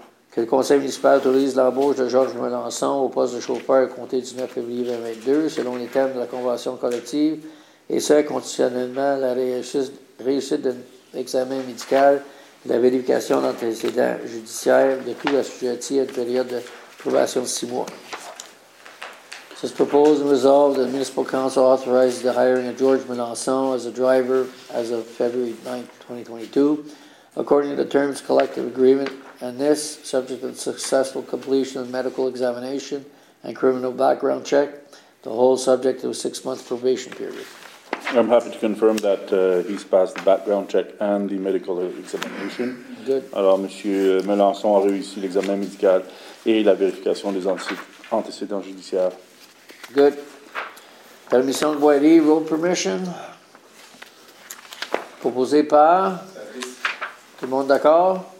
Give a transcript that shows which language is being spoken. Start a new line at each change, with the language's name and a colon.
French: Que le conseil municipal autorise l'embauche de Georges Melançon au poste de chauffeur à compter du 9 février 2022, selon les termes de la convention collective, et ce, conditionnellement, la réussite d'un examen médical la vérification d'antécédents judiciaires de tout assujetti à une période de probation de 6 mois.
English: This proposed and resolved that the Municipal Council authorizes the hiring of George Melançon as a driver as of February 9, 2022, according to the terms collective agreement, and this, subject to the successful completion of medical examination and criminal background check, the whole subject to a 6-month probation period. I'm happy to confirm that he's passed the background check and the medical examination. Good.
French: Alors, Monsieur Melançon a réussi l'examen médical et la vérification des antécédents judiciaires.
English: Good.
French: Permission de voirie,
English: road permission.
French: Proposé par. Tout le monde d'accord?